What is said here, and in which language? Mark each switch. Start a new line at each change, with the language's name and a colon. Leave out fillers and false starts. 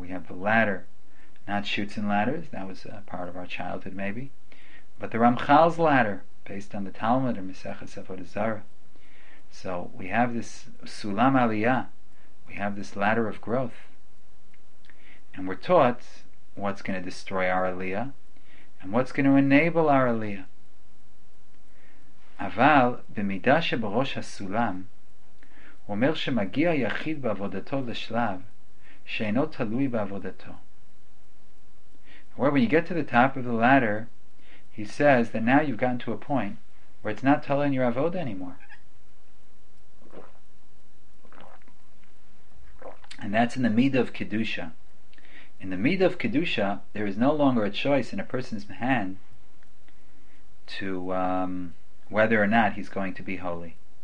English: We have the ladder, not chutes and ladders, that was a part of our childhood maybe, but the Ramchal's ladder, based on the Talmud and Maseches Avodah Zarah. So we have this Sulam Aliyah, we have this ladder of growth, and we're taught what's going to destroy our Aliyah and what's going to enable our Aliyah.
Hebrew: Aval b'midah shebarosh ha-sulam אומר שמגיע יחיד בעבודתו לשלב שאינו תלוי בעבודתו.
English: Where when you get to the top of the ladder, he says that now you've gotten to a point where it's not telling your avoda anymore. And that's in the midah of Kedusha. In the midah of Kedusha, there is no longer a choice in a person's hand to whether or not he's going to be holy.